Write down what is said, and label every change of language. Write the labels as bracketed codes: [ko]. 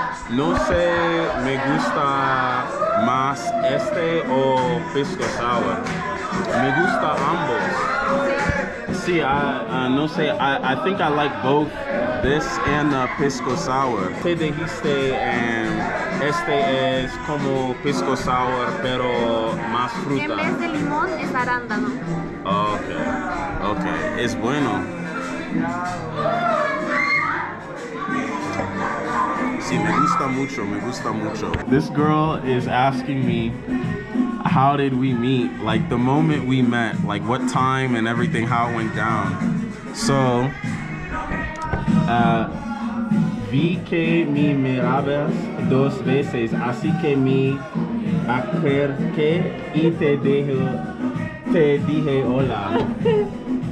[es] No sé, me gusta más este o pisco sour. Me gusta ambos. [en] See, I think I like both this and the pisco sour. [es] Te dijiste, este es como pisco sour, pero más fruta. En vez de limón, es arándano. Okay, es bueno. Sí, me gusta mucho. [en] This girl is asking me, how did we meet? Like the moment we met, like what time and everything, how it went down. [es] So, vi que me mirabas dos veces, así que me acerqué y te dije hola.